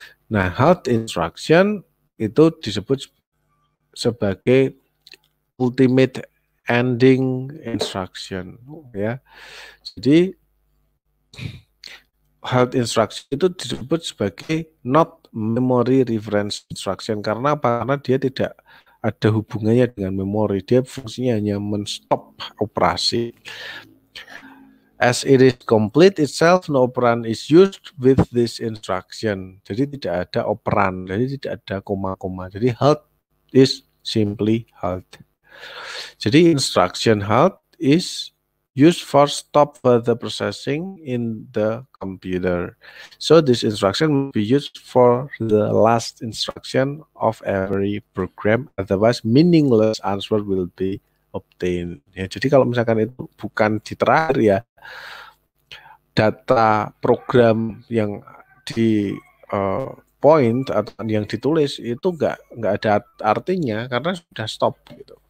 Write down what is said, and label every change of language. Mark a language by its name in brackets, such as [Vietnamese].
[Indonesian] Nah, halt instruction itu disebut sebagai ultimate ending instruction ya. Jadi halt instruction itu disebut sebagai not memory reference instruction. Karena apa? Karena dia tidak ada hubungannya dengan memori. Dia fungsinya hanya menstop operasi. [English] As it is complete itself, no operand is used with this instruction. [Indonesian] Jadi tidak ada operand. Jadi tidak ada koma-koma. [English] Jadi halt is simply halt. Jadi instruction halt is used for stop further processing in the computer. So this instruction will be used for the last instruction of every program, otherwise meaningless answer will be obtained. [Indonesian] Ya, jadi kalau misalkan itu bukan di terakhir ya, data program yang di point atau yang ditulis itu nggak ada artinya karena sudah stop gitu.